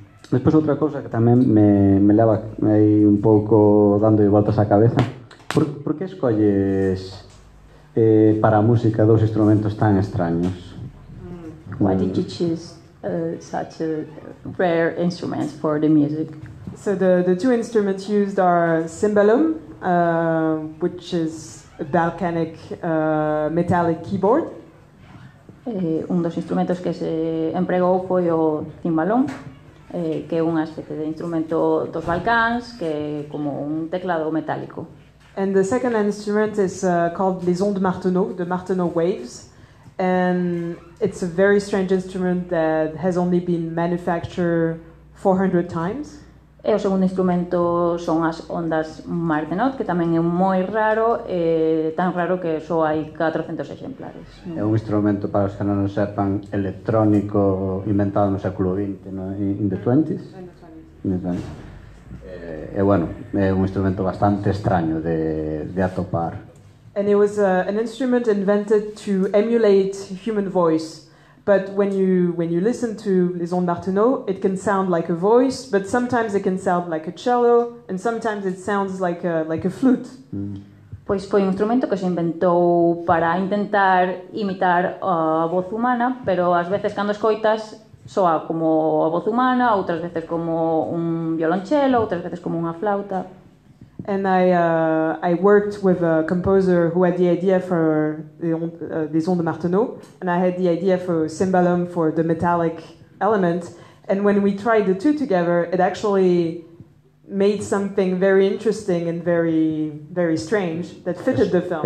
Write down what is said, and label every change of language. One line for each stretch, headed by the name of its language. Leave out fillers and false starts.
Spanish: Después otra cosa que también me leva ahí un poco dando vueltas a cabeza.
Galician: ¿Por qué escolles para música dos instrumentos tan extraños?
English: Why did you choose such a rare instrument for the music? So the two instruments used are cymbalum, which is a Balkanic metallic keyboard.
Galician: Un dos instrumentos que se empregou foi o cimbalón, que é unha especie de instrumento dos Balcáns, que é como un teclado metálico.
English: And the second instrument is called les ondes Martenot, the Martenot waves, and it's a very strange instrument that has only been manufactured 400 times.
Galician: E o segundo instrumento son as ondas Martenot, que tamén é moi raro, tan raro que só hai 400 exemplares. É un instrumento, para os que non o sepan, electrónico, inventado no século XX, no?
English: In the 20s? In the 20s.
Galician: Bueno, é un instrumento bastante extraño de atopar.
English: And it was an instrument invented to emulate human voice. But when you listen to les ondes Martenot, it can sound like a voice, but sometimes it can sound like a cello, and sometimes it sounds like a flute.
Galician: Pois foi un instrumento que se inventou para intentar imitar a voz humana, pero ás veces cando escoitas soa como a voz humana, outras veces como un violonchelo, outras veces como unha flauta.
English: And I worked with a composer who had the idea for Les Ondes de Martenot, and I had the idea for cymbalum for the metallic element. And when we tried the two together, it actually made something very interesting and very, very strange that fitted the film.